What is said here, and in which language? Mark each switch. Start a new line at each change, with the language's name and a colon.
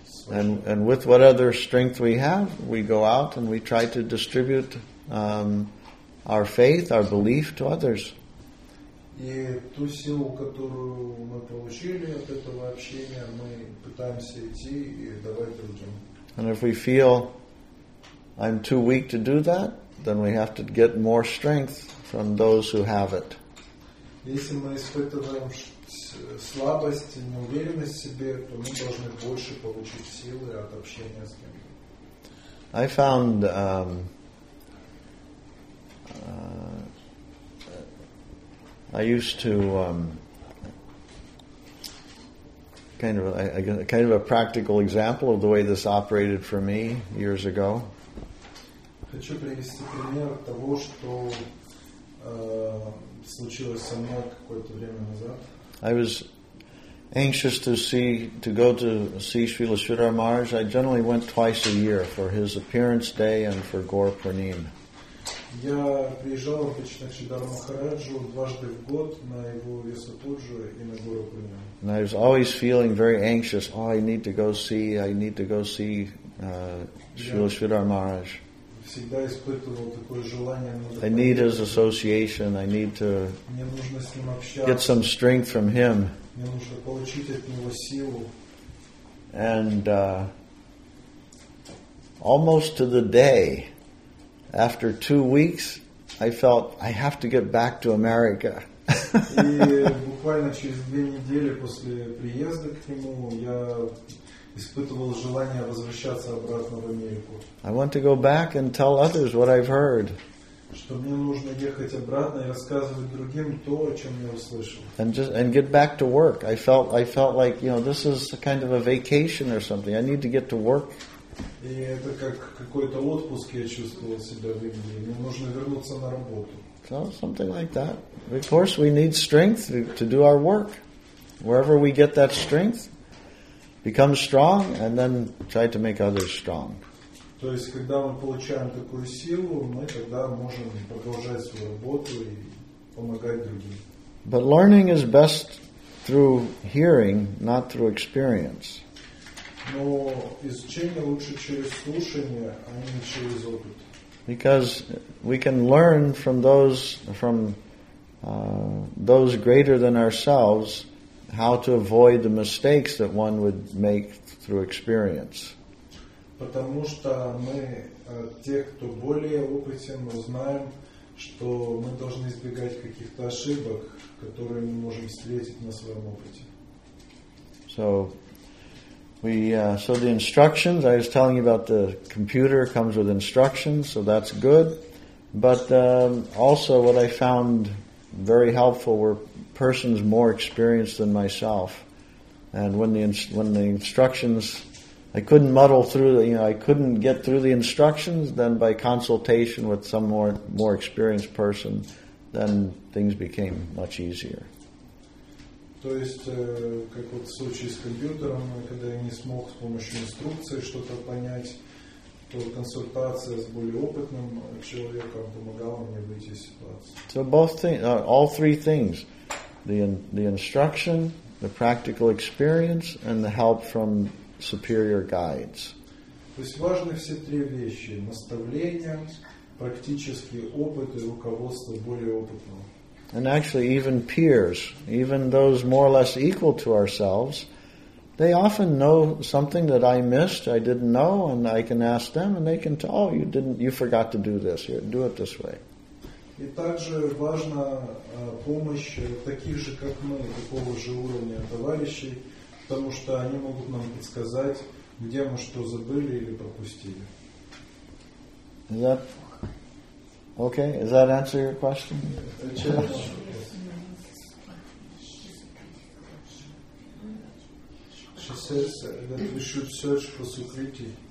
English: And with what other strength we have, we go out and we try to distribute our faith, our belief to others.
Russian: И ту силу, которую мы получили от этого общения, мы пытаемся идти и давать другим.
English: And if we feel I'm too weak to do that, then we have to get more strength from those who have it.
Russian: Если мы испытываем слабость и неуверенность в себе, то мы должны больше получить силы от общения с кем-то.
English: I found I used to kind of a practical example of the way this operated for me years ago.
Russian: Хочу привести пример того, что случилось со мной какое-то время назад.
English: I was anxious to go to see Srila Sridhar Maharaj. I generally went twice a year for his appearance day and for Gaur Purnima.
Russian: Я приезжал обычно к Шридхар Махараджу дважды в год на его Весапуджу и на Гуру Пурнима.
English: And I was always feeling very anxious. Oh, I need to go see Srila Sridhar Maharaj.
Russian: Всегда испытывал такое желание.
English: I need his association. I need to
Russian: мне нужно с ним общаться.
English: Get some strength from him.
Russian: Мне нужно получить от него силу.
English: And almost to the day, after 2 weeks, I felt I have to get back to America.
Russian: И буквально через две недели после приезда к нему я испытывал желание возвращаться обратно в Америку.
English: I want to go back and tell others what I've heard.
Russian: Что мне нужно ехать обратно и рассказывать другим то, о чем я услышал.
English: And get back to work. I felt like, you know, this is kind of a vacation or something. I need to get to work.
Russian: И это как какой-то отпуск я чувствовал себя в Индии. Мне нужно вернуться на работу.
English: So something like that. Of course, we need strength to do our work. Wherever we get that strength, become strong, and then try to make others strong.
Russian: То есть, когда мы получаем такую силу, мы тогда можем продолжать свою работу и помогать другим.
English: But learning is best through hearing, not through experience.
Russian: Но изучение лучше через слушание, а не через опыт.
English: Because we can learn from those greater than ourselves how to avoid the mistakes that one would make through experience.
Russian: Потому что мы те, кто более опытен, узнаем, что мы должны избегать каких-то ошибок, которые мы можем встретить на своем опыте.
English: So the instructions, I was telling you about the computer comes with instructions, so that's good. But also what I found very helpful were persons more experienced than myself. And when the instructions, I couldn't muddle through, I couldn't get through the instructions, then by consultation with some more experienced person, then things became much easier.
Russian: То есть, как вот в случае с компьютером, когда я не смог с помощью инструкции что-то понять, то консультация с более опытным человеком помогала мне выйти из ситуации.
English: So both things, all three things, the instruction, the practical experience, and the help from superior guides.
Russian: То есть важны все три вещи: наставление, практический опыт и руководство более опытного.
English: And actually, even peers, even those more or less equal to ourselves, they often know something that I missed, I didn't know, and I can ask them, and they can tell, you forgot to do this here, do it this way.
Russian: И также важна помощь таких же, как мы, такого же уровня товарищей, потому что они могут нам подсказать, где мы что забыли или пропустили.
English: Is that okay? Does that answer your question? She says that we should search for Sukriti.